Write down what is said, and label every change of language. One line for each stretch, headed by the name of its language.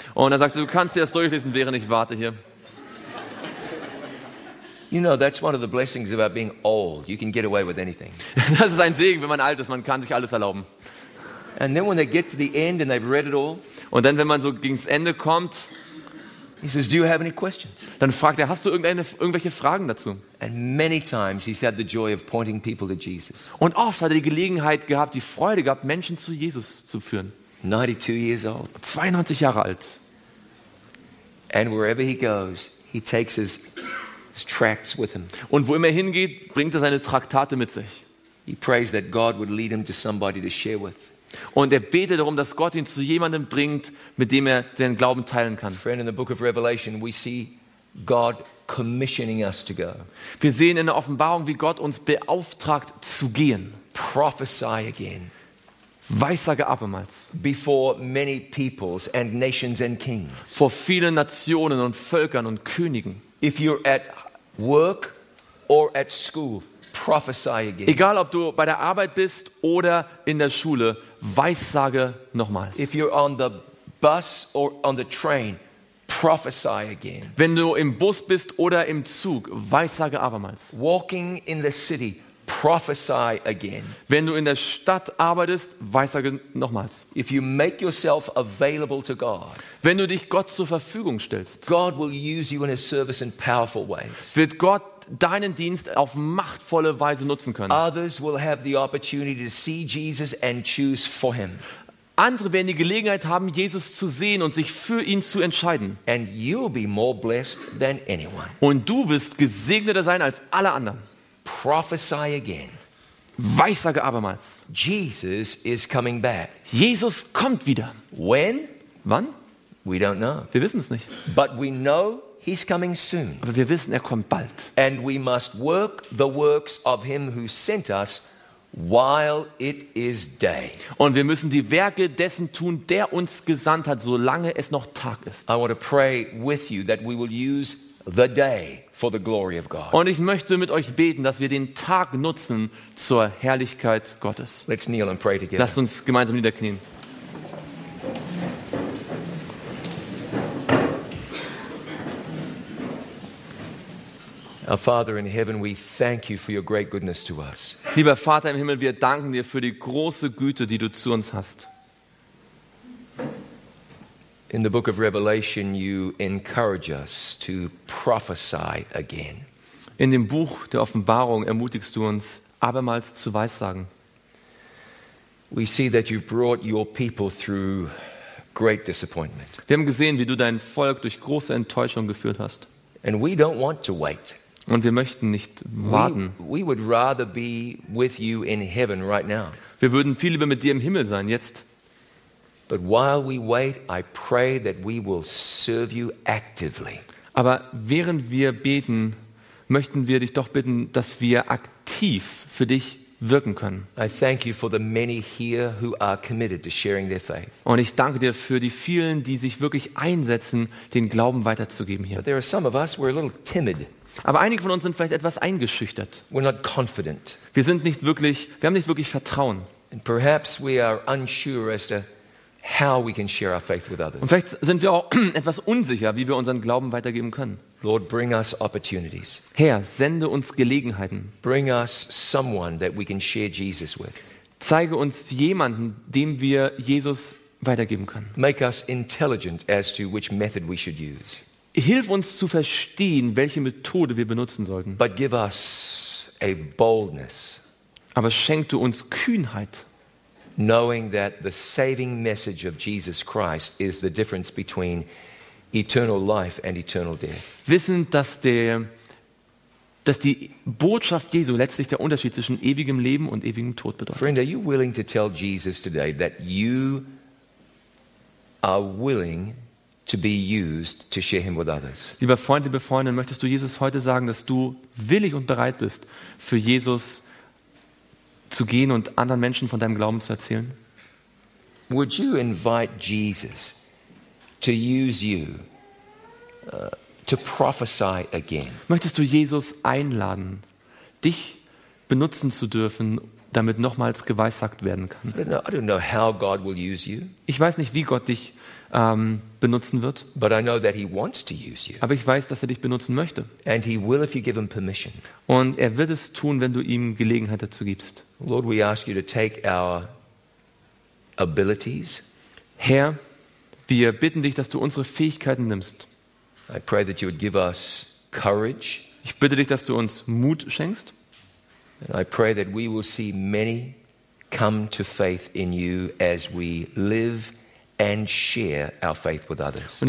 German: Und er sagt, du kannst dir das durchlesen, während ich warte hier.
English: You know, that's one of the blessings about being old. You can get away with anything.
German: Das ist ein Segen, wenn man alt ist. Man kann sich alles erlauben.
English: And then when they get to the end and they've read it all.
German: Und dann, wenn man so gegen das Ende kommt.
English: He says, "Do you have any questions?"
German: Dann fragt er, hast du irgendwelche Fragen dazu?
English: And many times he's had the joy of pointing people to Jesus.
German: Und oft hat er die Gelegenheit gehabt, die Freude gehabt, Menschen zu Jesus zu führen.
English: 92 years old.
German: 92 Jahre alt.
English: And wherever he goes, he takes his tracts with him.
German: Und wo immer hingeht, bringt er seine Traktate mit sich.
English: He prays that God would lead him to somebody to share with.
German: Und er betet darum, dass Gott ihn zu jemandem bringt, mit dem er seinen Glauben teilen kann.
English: Friend, in the book of Revelation, we see God commissioning us to go.
German: Wir sehen in der Offenbarung, wie Gott uns beauftragt zu gehen.
English: Prophesy again.
German: Weissage abermals.
English: Before many peoples and nations and kings.
German: Vor vielen Nationen und Völkern und Königen.
English: If you're at work or at school, prophesy again.
German: Egal ob du bei der Arbeit bist oder in der Schule, weissage nochmals.
English: If you're on the bus or on the train, prophesy again.
German: Wenn du im Bus bist oder im Zug, weissage abermals.
English: Walking in the city, prophesy again.
German: Wenn du in der Stadt arbeitest, weissage nochmals.
English: If you make yourself available to God,
German: wenn du dich Gott zur Verfügung stellst,
English: God will use you in his service in powerful ways.
German: Wird Gott deinen Dienst auf machtvolle Weise nutzen können.
English: Others will have the opportunity to see Jesus and choose for him.
German: Andere werden die Gelegenheit haben, Jesus zu sehen und sich für ihn zu entscheiden.
English: And you'll be more blessed than anyone.
German: Und du wirst gesegneter sein als alle anderen.
English: Prophesy again.
German: Weissage abermals.
English: Jesus is coming back.
German: Jesus kommt wieder.
English: When?
German: Wann?
English: We don't know.
German: Wir wissen es nicht.
English: But we know He's coming soon.
German: Aber wir wissen, er kommt bald.
English: And we must work the works of him who sent us while it is day.
German: Und wir müssen die Werke dessen tun, der uns gesandt hat, solange es noch Tag ist.
English: I want to pray with you that we will use the day for the glory of God.
German: Und ich möchte mit euch beten, dass wir den Tag nutzen zur Herrlichkeit Gottes.
English: Let's kneel and pray together.
German: Lasst uns gemeinsam niederknien.
English: Our Father in heaven, we thank you for your great goodness to us.
German: Lieber Vater im Himmel, wir danken dir für die große Güte, die du zu uns hast.
English: In the book of Revelation, you encourage us to prophesy again.
German: In dem Buch der Offenbarung ermutigst du uns, abermals zu weissagen.
English: We see that you've brought your people through great disappointment.
German: Wir haben gesehen, wie du dein Volk durch große Enttäuschung geführt hast.
English: And we don't want to wait.
German: Und wir möchten nicht warten.
English: We would rather be with you in heaven right now.
German: Wir würden viel lieber mit dir im Himmel sein jetzt.
English: But while we wait, I pray that we will serve you actively.
German: Aber während wir beten, möchten wir dich doch bitten, dass wir aktiv für dich wirken können.
English: I thank you for the many here who are committed to sharing their faith.
German: Und ich danke dir für die vielen, die sich wirklich einsetzen, den Glauben weiterzugeben hier.
English: But there are some of us, we're a little timid.
German: Aber einige von uns sind vielleicht etwas eingeschüchtert.
English: We're not confident.
German: Wir sind nicht wirklich, wir haben nicht wirklich Vertrauen.
English: And perhaps we are unsure as to how we can share our faith with others.
German: Und vielleicht sind wir auch etwas unsicher, wie wir unseren Glauben weitergeben können.
English: Lord, bring us opportunities.
German: Herr, sende uns Gelegenheiten.
English: Bring us someone that we can share Jesus with.
German: Zeige uns jemanden, dem wir Jesus weitergeben können.
English: Make us intelligent as to which method we should use.
German: Hilf uns zu verstehen, welche Methode wir benutzen sollten.
English: But give us a boldness.
German: Aber schenk du uns Kühnheit.
English: Knowing that the saving message of Jesus Christ is the difference between eternal life and eternal death.
German: Wissend, dass die Botschaft Jesu letztlich der Unterschied zwischen ewigem Leben und ewigem Tod bedeutet.
English: Friend, are you willing to tell Jesus today that you are willing to be used to share him with others?
German: Lieber Freund, liebe Freundin, möchtest du Jesus heute sagen, dass du willig und bereit bist, für Jesus zu gehen und anderen Menschen von deinem Glauben zu erzählen?
English: Would you invite Jesus to use you to prophesy again?
German: Möchtest du Jesus einladen, dich benutzen zu dürfen, damit nochmals geweissagt werden kann?
English: I don't know how God will use you.
German: Ich weiß nicht, wie Gott dich benutzen wird.
English: But I know that he wants to use you.
German: Aber ich weiß, dass er dich benutzen möchte.
English: And he will if you give him permission.
German: Und er wird es tun, wenn du ihm Gelegenheit dazu gibst.
English: Lord, we ask you to take our abilities.
German: Herr, wir bitten dich, dass du unsere Fähigkeiten nimmst.
English: I pray that you would give us courage.
German: Ich bitte dich, dass du uns Mut schenkst.
English: And I pray that we will see many come to faith in you as we live and share our faith with others.